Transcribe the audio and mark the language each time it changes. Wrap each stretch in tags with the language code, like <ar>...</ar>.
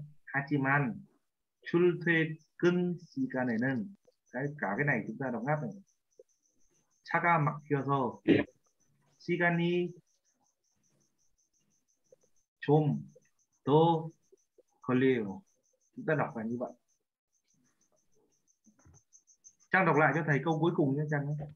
<ko>하지만 출퇴근 시간에는</ko> <vi>cả cái này chúng ta đọc ngắt này.</vi> <ko>차가 막혀서 시간이 좀 더 걸려요.</ko> <vi>Chúng ta đọc lại như vậy. Trang đọc lại cho thầy câu cuối cùng nhé Trang.</vi>